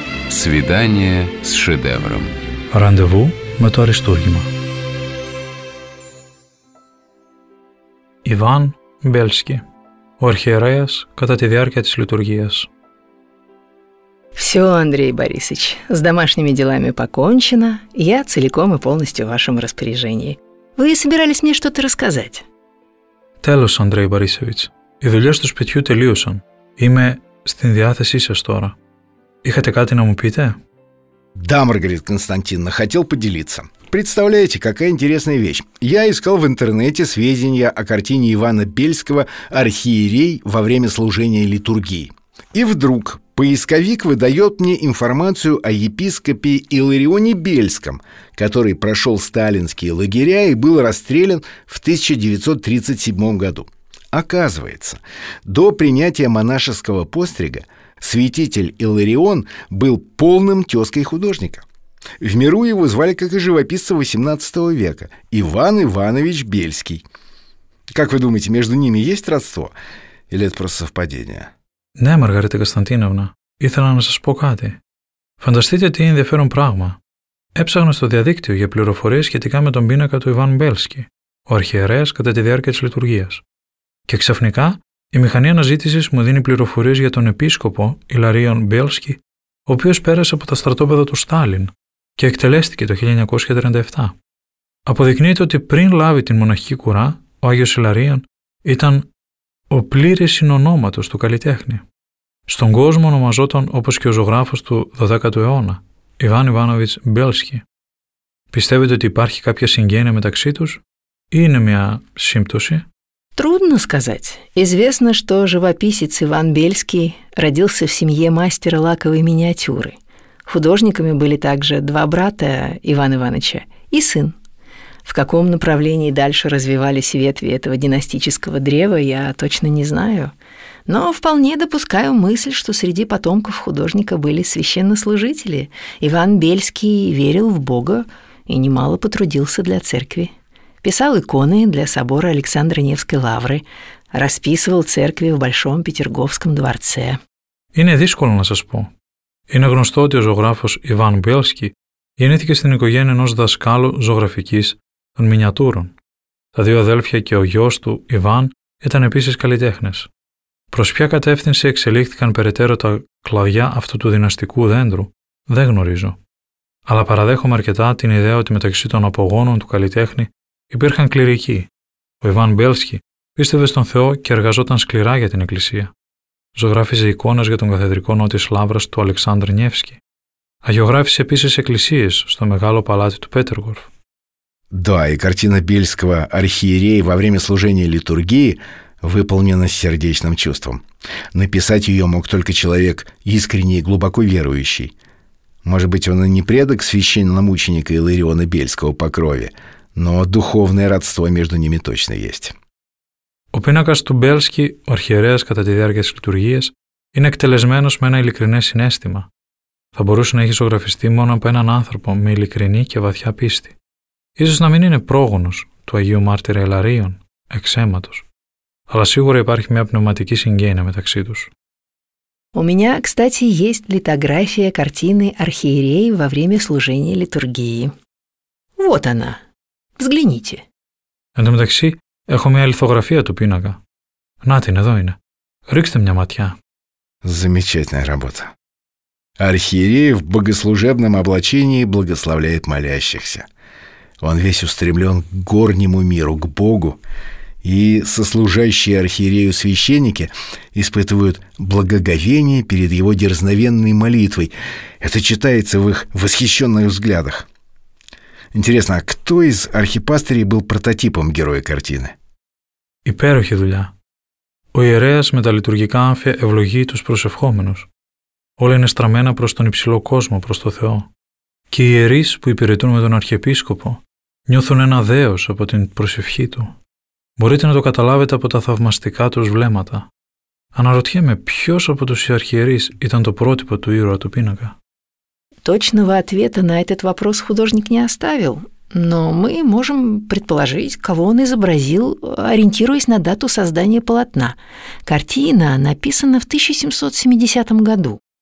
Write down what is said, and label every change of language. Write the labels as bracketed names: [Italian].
[Russian] Свидание с шедевром. [Greek] Ραντεβού με το αριστούργημα. Ιβάν Μπέλσκι. Ο αρχιερέας κατά τη διάρκεια της λειτουργίας. [Russian] Все, Андрей Борисович, с домашними делами покончено. Я целиком и полностью в вашем распоряжении. Вы собирались мне что-то рассказать? [Greek] Τέλος, Андрей Борисович. Οι δουλειές του σπιτιού τελείωσαν. Είμαι στην διάθεσή σας τώρα. Είχατε κάτι να μου πείτε? [Russian] Да, Маргарита Константиновна, хотел поделиться. Представляете, какая интересная вещь. Я искал в интернете сведения о картине Ивана Бельского «Архиерей во время служения литургии». И вдруг поисковик выдает мне информацию о епископе Илларионе Бельском, который прошел сталинские лагеря и был расстрелян в 1937 году. Оказывается, до принятия монашеского пострига святитель Илларион был полным тезкой художника. В миру его звали, как и живописца XVIII века, Иван Иванович Бельский. Как вы думаете, между ними есть родство? Или это просто совпадение? Да, [Greek] Маргарита Константиновна, ήθελα να σας πω κάτι. Φανταστείτε τι ενδιαφέρον πράγμα. Έψαχνα στο διαδίκτυο για πληροφορίες σχετικά με τον πίνακα του Ιβάν Μπέλσκι, ο αρχιερέας κατά τη διάρκεια της λειτουργίας. Και ξαφνικά, η μηχανή αναζήτησης μου δίνει πληροφορίες για τον επίσκοπο Ιλαρίον Μπέλσκι, ο οποίος πέρασε από τα στρατόπεδα του Στάλιν και εκτελέστηκε το 1937. Αποδεικνύεται ότι πριν λάβει την μοναχική κουρά, ο Άγιος Ιλαρίον ήταν ο πλήρης συνονόματος του καλλιτέχνη. Στον κόσμο ονομαζόταν όπως και ο ζωγράφος του 12ου αιώνα, Ιβάν Ιβάνοβιτς Μπέλσκι. Πιστεύετε ότι υπάρχει κάποια συγγένεια μεταξύ τους ή είναι μια σύμπτωση? [Russian] Трудно сказать. Известно, что живописец Иван Бельский родился в семье мастера лаковой миниатюры. Художниками были также два брата Ивана Ивановича и сын. В каком направлении дальше развивались ветви этого династического древа, я точно не знаю. Но вполне допускаю мысль, что среди потомков художника были священнослужители. Иван Бельский верил в Бога и немало потрудился для церкви. Писал иконы для собора Александра Невской лавры, расписывал церкви в Большом Петерговском дворце. [Greek] Είναι δύσκολο να σας πω. Είναι γνωστό ότι ο ζωγράφος Ιβάν Μπέλσκι γεννήθηκε στην οικογένεια ενός δασκάλου ζωγραφικής των μινιατούρων. Τα δύο αδέλφια και ο γιος του, Ιβάν, ήταν επίσης καλλιτέχνες. Προς ποια κατεύθυνση εξελίχθηκαν περαιτέρω τα κλαδιά αυτού του δυναστικού δέντρου, δεν γνωρίζω. Αλλά παραδέχομαι αρκετά την ιδέα ότι μεταξύ των απογόνων του καλλιτέχνη υπήρχαν κληρικοί. Ο Ιβάν Μπέλσκι πίστευε στον Θεό και εργαζόταν σκληρά για την Εκκλησία. Ζωγράφιζε εικόνες για τον καθεδρικό ναό της Λαύρας του Αλεξάνδρ Νιεύσκι. Αγιογράφησε επίσης εκκλησίες στο μεγάλο παλάτι του Πέτεργορφ. [Russian] Да, и картина Бельского «Архиерей» во время служения литургии выполнена с сердечным чувством. Написать ее мог только человек искренний и глубоко верующий. Может быть, он и не предок священномученика Илариона Бельского по крови, но духовное родство между ними точно есть. [Greek] Ο πίνακας του Μπέλσκι, ο αρχιερέας κατά τη διάρκεια της λειτουργίας, είναι εκτελεσμένος με ένα ειλικρινές συνέστημα. Θα μπορούσε να έχει ζωγραφιστεί μόνο από έναν άνθρωπο με ειλικρινή και βαθιά πίστη. Ίσως να μην είναι πρόγονος του Αγίου Μάρτυρα Ελαρίων, εξαίματος. Αλλά σίγουρα υπάρχει μια πνευματική συγγένεια μεταξύ τους. [Russian] У меня, кстати, есть литография картины архиерея во время служения литургии. Вот она. Взгляните. [Greek] Εν τω μεταξύ, έχω μια λιθογραφία του πίνακα. Να την, εδώ είναι. Ρίξτε μια ματιά. [Russian] Замечательная работа. Архиерей в богослужебном облачении благословляет молящихся. Он весь устремлен к горнему миру, к Богу, и сослужащие архиерею священники испытывают благоговение перед его дерзновенной молитвой. Это читается в их восхищенных взглядах. Интересно, а кто из архипастырей был прототипом героя картины? [Greek] Υπέροχη δουλειά. Ο ιερέας με τα λειτουργικά άμφια ευλογεί τους προσευχόμενους. Όλα είναι στραμμένα προς τον υψηλό κόσμο, προς το Θεό. Και οι ιερείς που υπηρετούν με τον αρχιεπίσκοπο νιώθουν ένα δέος από την προσευχή του. Μπορείτε να το καταλάβετε από τα θαυμαστικά τους βλέμματα. Αναρωτιέμαι ποιος από τους αρχιερείς ήταν το πρότυπο του ήρωα του πίνακα. [Russian] Точного ответа на этот вопрос художник не оставил, но мы можем предположить, кого он изобразил, ориентируясь на дату создания полотна. Картина написана в 1770 году.